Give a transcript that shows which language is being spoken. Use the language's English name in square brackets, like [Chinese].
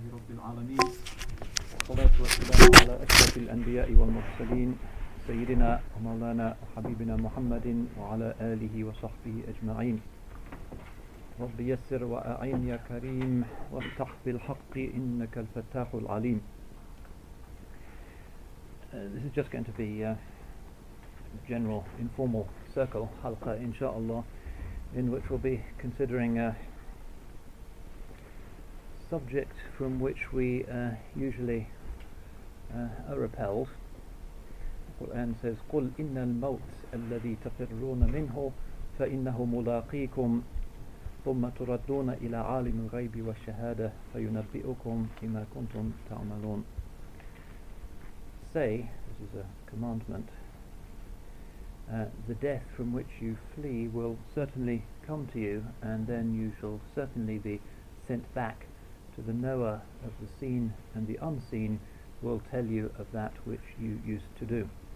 [Arabic] العالمين، والصلاة والسلام على أشرف الأنبياء والمرسلين سيدنا ومولانا وحبيبنا محمد وعلى آله وصحبه أجمعين. رب يسر وأعين يا كريم، وافتح بالحق إنك الفتاح العليم. [English] This is just going to be a general informal circle [Arabic] حلقة إن شاء الله, [English] in which we'll be considering a subject from which we usually are repelled. The Quran says, [Arabic] قُلْ إِنَّ الْمَوْتَ الَّذِي تَفِرُّونَ مِنْهُ فَإِنَّهُ مُلَاقِيكُمْ ثُمَّ تُرَدُّونَ إِلَىٰ عَالِمِ الْغَيْبِ وَالشَّهَادَةِ فَيُنَبِّئُكُمْ بِمَا كُنْتُمْ تَعْمَلُونَ. [English] Say, this is a commandment, the death from which you flee will certainly come to you, and then you shall certainly be sent back to the knower of the seen and the unseen, who will tell you of that which you used to do.